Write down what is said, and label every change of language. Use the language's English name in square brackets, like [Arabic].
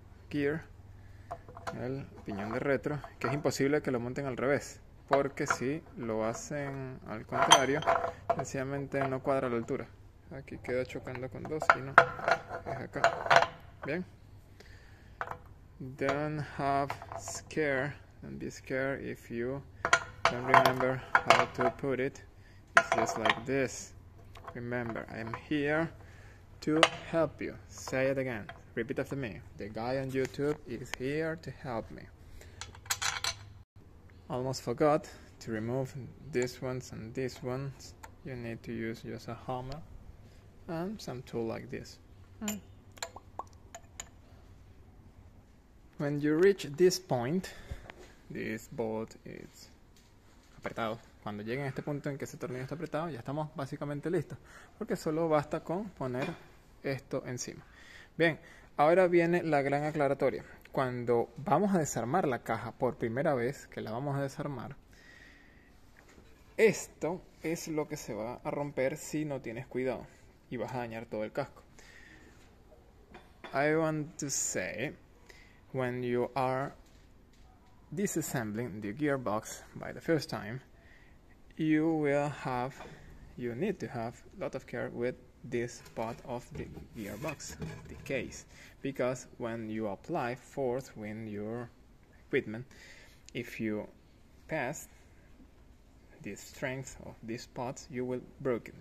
[Spanish] gear, el piñón de retro, que es imposible que lo monten al revés, porque si lo hacen al contrario, sencillamente no cuadra la altura. Aquí queda chocando con dos y no es acá. Bien. [English] Don't have scare, don't be scared if you don't remember how to put it. It's just like this. Remember, I'm here to help you. Say it again. Repeat after me. The guy on YouTube is here to help me. Almost forgot to remove these ones and these ones. You need to use just a hammer and some tool like this. When you reach this point, this bolt is apretado. [Spanish] Cuando lleguen a este punto en que ese tornillo está apretado, ya estamos básicamente listos, porque solo basta con poner esto encima. Bien, ahora viene la gran aclaratoria. Cuando vamos a desarmar la caja por primera vez, que la vamos a desarmar, esto es lo que se va a romper si no tienes cuidado y vas a dañar todo el casco. [English] I want to say, when you are disassembling the gearbox by the first time, you will have, you need to have a lot of care with this part of the gearbox, the case, because when you apply force with your equipment, if you pass the strength of these parts, you will break it.